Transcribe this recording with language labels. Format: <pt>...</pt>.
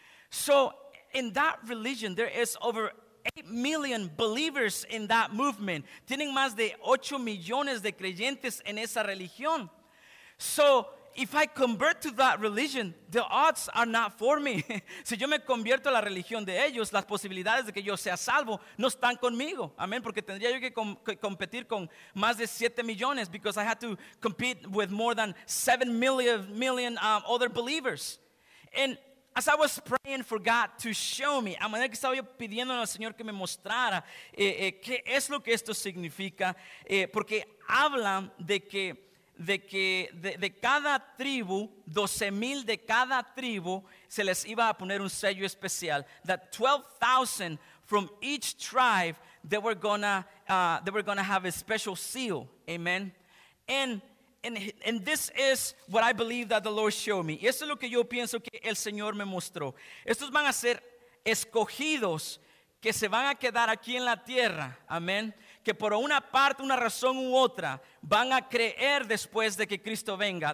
<en>So in that religion, there is over 8 million believers in that movement.</en> <es>Tienen más de 8 millones de creyentes en esa religión.</es> <en>So if I convert to that religion, the odds are not for me.</en> <es>Si yo me convierto a la religión de ellos, las posibilidades de que yo sea salvo no están conmigo. Amén. Porque tendría yo que competir con más de 7 millones,</es> <en>because I had to compete with more than 7 million other believers. And as I was praying for God to show me,</en> <es>a manera que estaba yo pidiendo al Señor que me mostrara qué es lo que esto significa, porque hablan de cada tribu, 12,000 de cada tribu, se les iba a poner un sello especial.</es> <en>That 12,000 from each tribe, they were gonna have a special seal. Amen. And this is what I believe that the Lord showed me.</en> <es>Y esto es lo que yo pienso que el Señor me mostró. Estos van a ser escogidos que se van a quedar aquí en la tierra. Amén. Que por una parte, una razón u otra, van a creer después de que Cristo venga.</es>